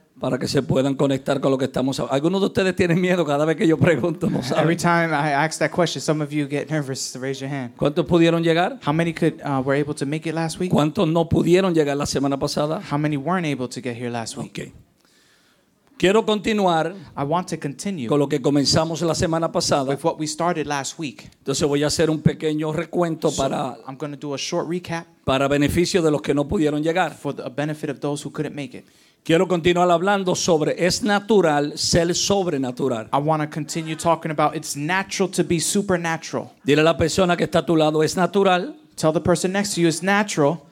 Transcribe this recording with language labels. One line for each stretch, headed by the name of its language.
Spanish: Para que se puedan conectar con lo que estamos hablando. Algunos de ustedes tienen miedo cada vez que yo pregunto, ¿no saben?
English: Every time I ask that question, some of you get nervous to raise your hand.
Spanish: ¿Cuántos pudieron llegar?
English: How many could were able to make it last week?
Spanish: ¿Cuántos no pudieron llegar la semana pasada?
English: How many weren't able to get here last week?
Spanish: Okay. Quiero continuar.
English: I want to continue.
Spanish: Con lo que comenzamos la semana pasada.
English: With what we started last week.
Spanish: Entonces voy a hacer un pequeño recuento para.
English: So I'm going to do a short recap.
Spanish: Para beneficio de los que no pudieron llegar.
English: For the benefit of those who couldn't make it.
Spanish: Quiero continuar hablando sobre es natural ser sobrenatural.
English: I want to continue talking about it's natural to be supernatural.
Spanish: Dile a la persona que está a tu lado es natural.
English: Tell the person next to you it's natural.